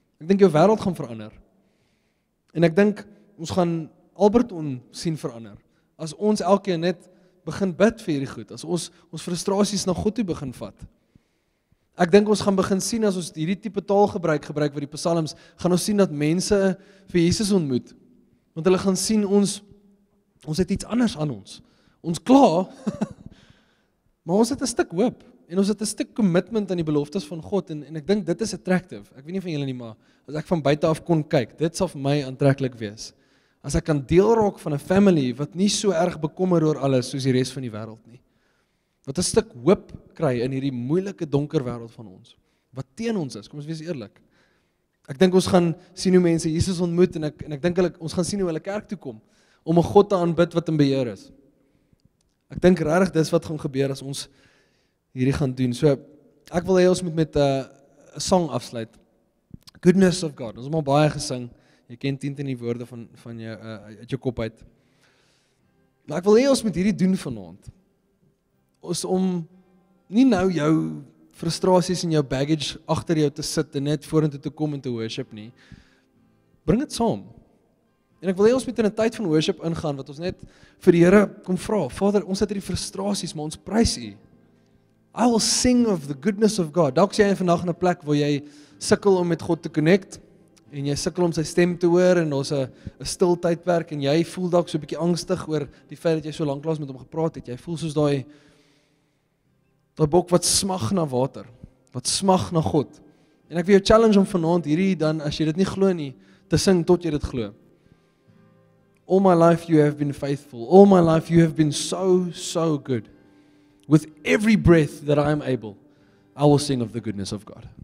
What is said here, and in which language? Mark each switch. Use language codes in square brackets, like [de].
[af] Ek dink jou wêreld gaan verander. En ek dink, ons gaan Alberton sien verander. As ons elkeen net begin bid vir hierdie goed, as ons frustraties na God toe begin vat. Ek dink ons gaan begin sien, as ons hierdie type taalgebruik gebruik vir die psalms, gaan ons sien dat mense vir Jesus ontmoet. Want hulle gaan sien, ons het iets anders aan ons. Ons kla, maar ons het een stuk hoop. En ons het een stuk commitment aan die beloftes van God, en ek dink dit is attractive. Ek weet nie van julle nie, maar as ek van buiten af kon kyk, dit sal vir my aantreklik wees. As ek kan deel raak van 'n family wat nie so erg bekommer oor alles soos die res van die wêreld nie. Wat een stuk hoop kry in hierdie moeilike donker wêreld van ons. Wat teen ons is, kom ons wees eerlik. Ek dink ons gaan sien hoe mense Jesus ontmoet, en ek dink ons gaan sien hoe hulle kerk toe kom om 'n God te aanbid wat in beheer is. Ek dink regtig dis wat gaan gebeur as ons hierdie gaan doen. So, ek wil hê ons moet met 'n song afsluit. Goodness of God. Ons het al baie gesing. Jy ken tien in die woorde van jou, uit jou kop uit. Maar ek wil hê ons moet hierdie doen vanaand. Ons om nie nou jou frustraties en jou baggage agter jou te sit en net vorentoe te kom en te worship nie. Bring het saam. En ek wil hê ons moet in 'n tyd van worship ingaan wat ons net vir die Here kom vra. Vader, ons het hierdie frustraties, maar ons prys U. [en] I will sing of the goodness of God. [af] Dalk sê jy vandag in 'n plek waar jy sukkel om met God te connect, en jy sukkel om sy stem te hoor, en daar's 'n stil tydperk, en jy voel dalk so 'n bietjie angstig oor die feit dat jy so lank lank met hom gepraat het. Jy voel soos daai bok wat smag na water, wat smag na God. En ek wil jou challenge om vanaand hierdie dan, as jy dit nie glo nie, te sing tot jy dit glo. [en] All my life you have been faithful. All my life you have been so, so good. With every breath that I am able, I will sing of the goodness of God.